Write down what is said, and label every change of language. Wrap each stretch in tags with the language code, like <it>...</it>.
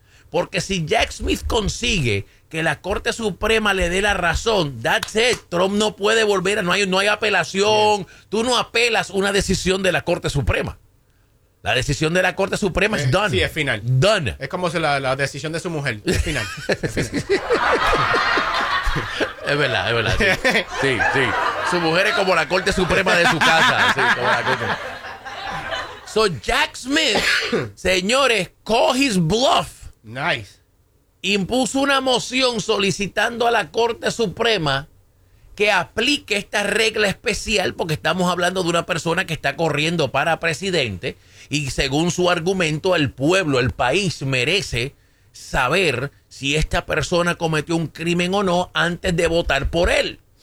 <es>Porque si Jack Smith consigue que la Corte Suprema le dé la razón,</es> <en>that's it,</en> <es>Trump no puede volver, no hay apelación,</es> <en>yes.</en> <es>Tú no apelas una decisión de la Corte Suprema. La decisión de la Corte Suprema es</es> <en>done.</en> <es>Sí, es final.</es> <en>Done.</en> <es>Es como la decisión de su mujer, es final. Es final. es verdad. Sí. Su mujer es como la Corte Suprema de su casa. Sí, como la Corte.</es> <en>So Jack Smith,</en> <es>señores,</es> <en>call his bluff. Nice.</en> <es>Impuso una moción solicitando a la Corte Suprema que aplique esta regla especial, porque estamos hablando de una persona que está corriendo para presidente y según su argumento el pueblo, el país merece saber si esta persona cometió un crimen o no antes de votar por él.</es>